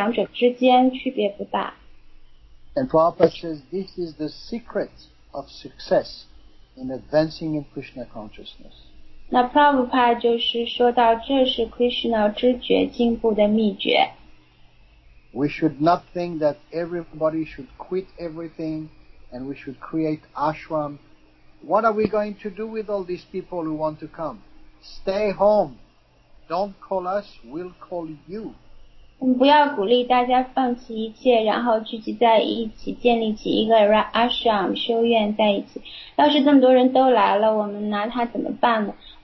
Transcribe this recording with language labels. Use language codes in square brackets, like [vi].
[zh] 当然了，我们都会有这种强烈的这种需要，觉得应该要去到这些圣地。但是事实上，如果你是在家里修习Krishna，就是非常严格的话，你会发现，无论是在这个圣地还是在自己的家中，其实这两者之间区别不大。 [en] And Prabhupada says this is the secret of success in advancing in Krishna consciousness. [zh] 那 Prabhupada 就是说到，这是 Krishna 知觉进步的秘诀。 [en] We should not think that everybody should quit everything, and we should create ashram. What are we going to do with all these people who want to come? Stay home. Don't call us. We'll call you. [zh] 我们不要鼓励大家放弃一切，然后聚集在一起，建立起一个 ashram 修院在一起。要是这么多人都来了，我们拿他怎么办呢？